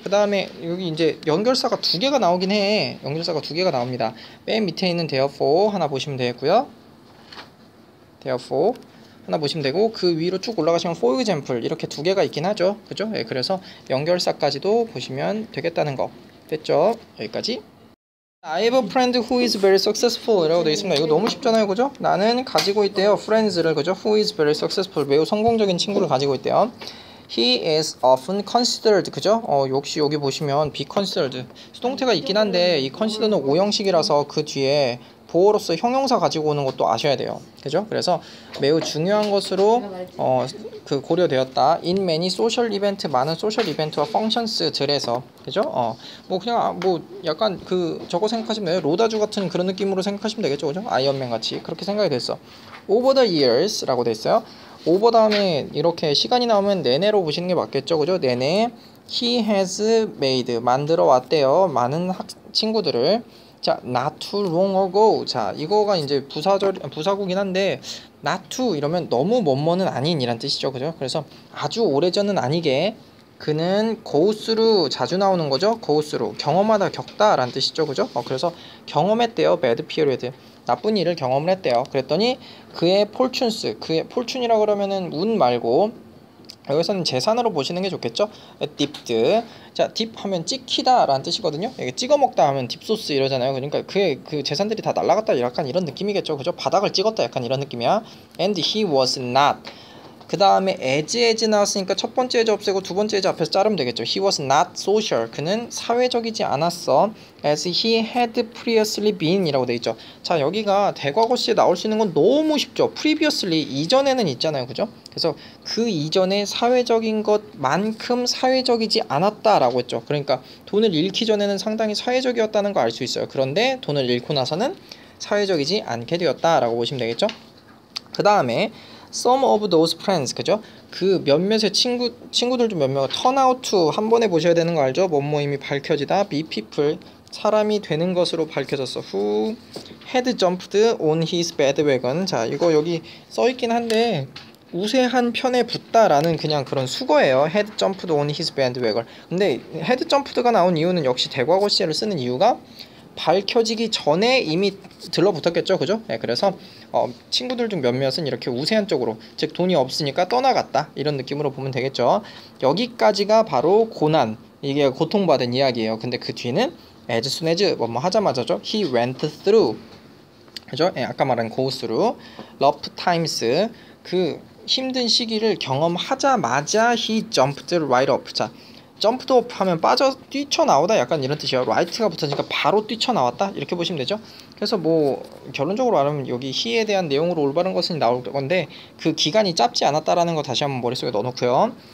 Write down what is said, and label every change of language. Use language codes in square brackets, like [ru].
[ko] 그 다음에 여기 이제 연결사가 두 개가 나오긴 해. 연결사가 두 개가 나옵니다. 맨 밑에 있는 therefore 하나 보시면 되겠고요. therefore 하나 보시면 되고, 그 위로 쭉 올라가시면 for example 이렇게 두 개가 있긴 하죠. 그죠? 예, 그래서 연결사까지도 보시면 되겠다는 거. 됐죠? 여기까지. [en] I have a friend who is very successful [ko] 이라고 되어 있습니다. 이거 너무 쉽잖아요. 그죠? 나는 가지고 있대요. friends를. 그죠? [en] who is very successful. [ko] 매우 성공적인 친구를 가지고 있대요. [en] He is often considered. 그죠? [ko] 역시 여기 보시면 be considered. 수동태가 있긴 한데 이 consider는 5형식이라서 그 뒤에 보어로서 형용사 가지고 오는 것도 아셔야 돼요. 그죠? 그래서 매우 중요한 것으로 그 고려되었다. [en] In many social event, [ko] 많은 [en] social event와 functions들에서. [ko] 그죠? 뭐 그냥 뭐 약간 그 저거 생각하시면 돼요. 로다주 같은 그런 느낌으로 생각하시면 되겠죠. 그죠? 아이언맨 같이. 그렇게 생각이 됐어. [en] Over the years [ko] 라고 됐어요. Over 다음에 이렇게 시간이 나오면 내내로 보시는 게 맞겠죠. 그죠? 내내. [en] He has made. [ko] 만들어 왔대요. 많은 친구들을. 자, [en] not too long ago. [ko] 자, 이거가 이제 부사구긴 한데 not too 이러면 너무 먼먼은 아닌 이란 뜻이죠. 그죠? 그래서 아주 오래전은 아니게 그는 go through 자주 나오는 거죠. go through 경험하다 겪다 라는 뜻이죠. 그죠? 그래서 경험했대요. bad period 나쁜 일을 경험을 했대요. 그랬더니 그의 fortunes 그의 fortune이라고 그러면은 운 말고 여기서는 재산으로 보시는 게 좋겠죠? [en] dipped. [ko] 자, dip 하면 찍히다 라는 뜻이거든요. 이게 찍어 먹다 하면 딥소스 이러잖아요. 그러니까 그 재산들이 다 날아갔다 약간 이런 느낌이겠죠. 그죠? 바닥을 찍었다 약간 이런 느낌이야. [en] And he was not. [ko] 그 다음에 as 나왔으니까 첫 번째 as 없애고 두 번째 as 앞에서 자르면 되겠죠. [en] He was not social. [ko] 그는 사회적이지 않았어. [en] As he had previously been [ko] 이라고 되어있죠. 자, 여기가 대과거시에 나올 수 있는 건 너무 쉽죠. previously 이전에는 있잖아요. 그죠? 그래서 그 이전에 사회적인 것만큼 사회적이지 않았다 라고 했죠. 그러니까 돈을 잃기 전에는 상당히 사회적이었다는 거 알 수 있어요. 그런데 돈을 잃고 나서는 사회적이지 않게 되었다 라고 보시면 되겠죠. 그 다음에 [en] some of those friends [ko] 그죠? 그 몇몇의 친구들 중 몇몇 [en] turn out to [ko] 한 번에 보셔야 되는 거 알죠? 뭐뭐임이 밝혀지다 be people 사람이 되는 것으로 밝혀졌어 [en] who had jumped on his bandwagon [ko] 자 이거 여기 써 있긴 한데 우세한 편에 붙다 라는 그냥 그런 수거예요 [en] had jumped on his bandwagon [ko] 근데 had jumped가 나온 이유는 역시 대과거 시제를 쓰는 이유가 밝혀지기 전에 이미 들러붙었겠죠. 그죠? 네, 그래서 친구들 중 몇몇은 이렇게 우세한 쪽으로 즉 돈이 없으니까 떠나갔다 이런 느낌으로 보면 되겠죠. 여기까지가 바로 고난 이게 고통받은 이야기예요. 근데 그 뒤는 as soon as 뭐 하자마자죠. [en] he went through 그죠? [ko] 네, 아까 말한 [en] go through rough times [ko] 그 힘든 시기를 경험하자마자 [en] he jumped right up [ko] 자 jumped off 하면 빠져 뛰쳐나오다 약간 이런 뜻이에요 right가 붙으니까 바로 뛰쳐나왔다 이렇게 보시면 되죠 그래서 뭐 결론적으로 말하면 여기 he에 대한 내용으로 올바른 것은 나올 건데 그 기간이 짧지 않았다라는 거 다시 한번 머릿속에 넣어놓고요